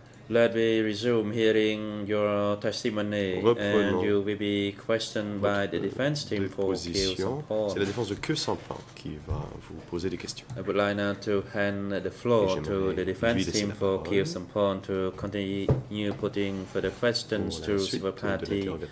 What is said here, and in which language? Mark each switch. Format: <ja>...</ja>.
<en>Let me resume hearing your testimony, and you will be questioned by the defense team for Kyu Sampan.</en> <fr>C'est la défense de Kyu Sampan qui va vous poser des questions.</fr> <en>I would like now to hand the floor to the defense team for Kyu Sampan to continue putting further questions to the party.</en>